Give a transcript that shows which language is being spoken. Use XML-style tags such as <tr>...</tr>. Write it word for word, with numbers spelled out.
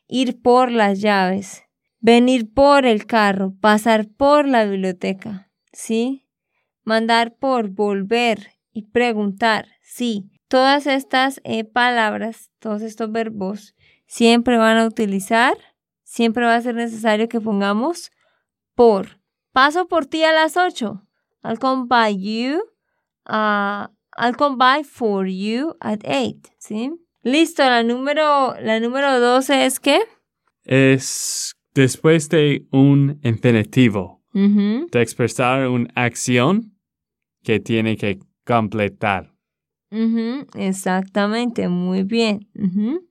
<es>Ir por las llaves, venir por el carro, pasar por la biblioteca, ¿sí? Mandar por, volver y preguntar, sí. Todas estas eh, palabras, todos estos verbos, siempre van a utilizar, siempre va a ser necesario que pongamos por. Paso por ti a las ocho.</es> <en>I'll come by you. Uh, I'll come by for you at eight.</en> <es>¿Sí? Listo, la número, la número doce es ¿qué? Es después de un infinitivo. Uh-huh. De expresar una acción que tiene que completar. Uh-huh. Exactamente, muy bien. Uh-huh.</es>